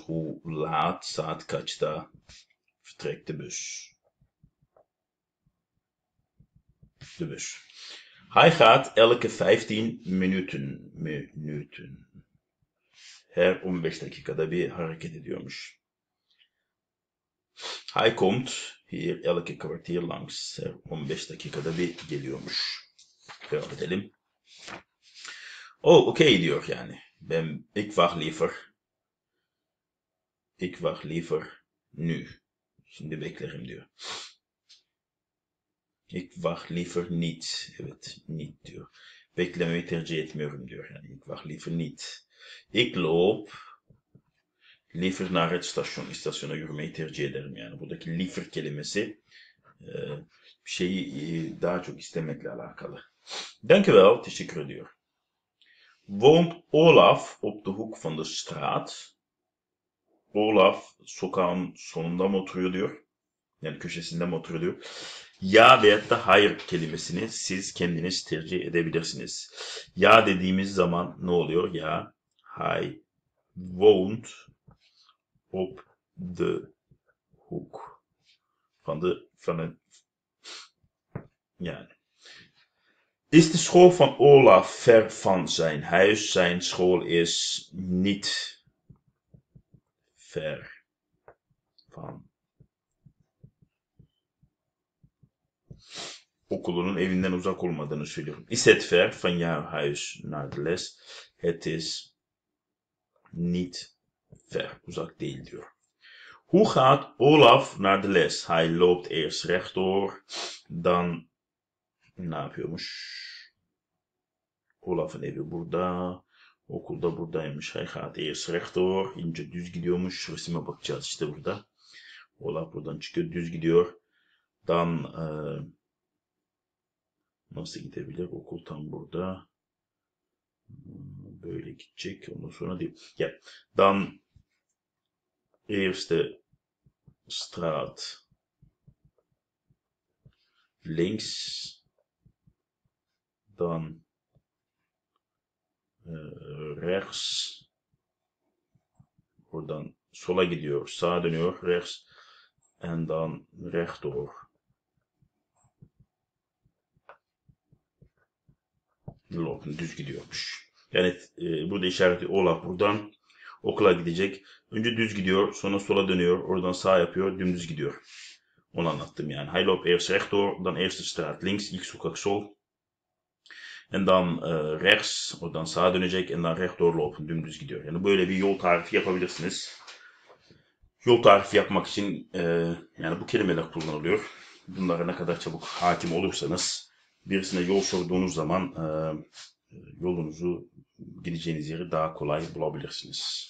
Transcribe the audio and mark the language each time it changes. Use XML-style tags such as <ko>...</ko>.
<nl>Hoe laat,</nl> <tr>saat kaçta</tr> <nl>vertrekt de bus? De bus. Hij gaat elke 15 minuten.</nl> <tr>Her 15 dakikada bir hareket ediyormuş.</tr> <nl>Hij komt hier elke kwartier langs.</nl> <tr>Her 15 dakikada bir geliyormuş. Devam edelim. Oh, okay diyor yani.</tr> <nl>Ik wacht liever. Ik wacht liever nu.</nl> <tr>Şimdi beklerim diyor.</tr> <nl>Ik wacht liever niet.</nl> <tr>Evet,</tr> <nl>niet</nl> <tr>diyor. Beklemeyi tercih etmiyorum diyor. Yani,</tr> <nl>ik wacht liever niet. Ik loop liever naar het station.</nl> <tr>İstasyona yürümeyi tercih ederim yani. Buradaki liever kelimesi şeyi daha çok istemekle alakalı.</tr> <nl>Dank u wel,</nl> <tr>teşekkür ediyorum.</tr> <nl>Woont Olaf op de hoek van de straat?</nl> <tr>Olaf sokağın sonunda mı oturuyor diyor. yani köşesinde mi oturuyor? Ya veyahut da hayır kelimesini siz kendiniz tercih edebilirsiniz. Ya dediğimiz zaman ne oluyor? Ya I won't hop the hook. Yani.</tr> <nl>Is de school van Olaf ver van zijn huis? Zijn school is niet ver van.</nl> <tr>Okulunun evinden uzak olmadığını söylüyorum.</tr> <nl>Is het ver van jouw huis naar de les? Het is niet ver.</nl> <tr>Uzak değil diyor.</tr> <nl>Hoe gaat Olaf naar de les? Hij loopt eerst rechtdoor.</nl> <tr>Dan ne yapıyormuş? Olaf'ın evi burada. Okul da buradaymış.</tr> <nl>Hij gaat eerst rechtdoor.</nl> <tr>İnce düz gidiyormuş. Resime bakacağız işte burada. Olaf buradan çıkıyor. Düz gidiyor. Dan nasıl gidebilir? Okul tam burada. Böyle gidecek. Ondan sonra diyeyim. Gel.</tr> <nl>Dan eerste straat links, dan rechts,</nl> <tr>buradan sola gidiyor, sağa dönüyor,</tr> <nl>rechts, en dan rechtdoor.</nl> <tr>Gidiyormuş. Yani burada işareti Olaf buradan okula gidecek. Önce düz gidiyor, sonra sola dönüyor, oradan sağ yapıyor, dümdüz gidiyor. Onu anlattım yani.</tr> <nl>Hij loopt eerst rechtdoor, dan eerste straat links,</nl> <tr>ilk sokak sol.</tr> <nl>En dan rechts,</nl> <tr>oradan sağa dönecek,</tr> <nl>en dan rechtdoor lopen,</nl> <tr>dümdüz gidiyor. Yani böyle bir yol tarifi yapabilirsiniz. Yol tarifi yapmak için yani bu kelimeler kullanılıyor. Bunlara ne kadar çabuk hakim olursanız, birisine yol sorduğunuz zaman yolunuzu gideceğiniz yeri daha kolay bulabilirsiniz.</tr>